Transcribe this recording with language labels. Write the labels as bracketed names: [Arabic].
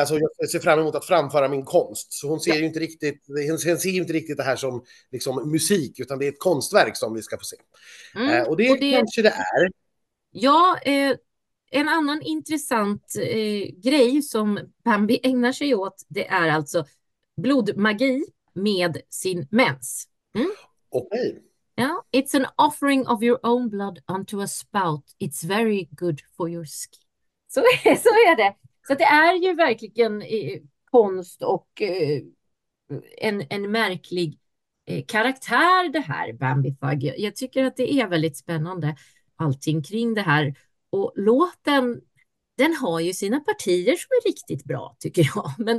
[Swedish] Alltså jag ser fram emot att framföra min konst. Så hon ser ju inte riktigt, hon ser ju inte riktigt det här som liksom musik, utan det är ett konstverk som vi ska få se. Och det kanske det är. Ja, en annan intressant grej som Bambi ägnar sig åt, det är alltså blodmagi med sin mens. Okej. [English] Ja, it's an offering of your own blood onto a spout. It's very good for your skin. [Swedish] Så är det. Så det är ju verkligen konst och en märklig karaktär det här, Bambi Thug. Jag tycker att det är väldigt spännande allting kring det här. Och låten, den har ju sina partier som är riktigt bra, tycker jag.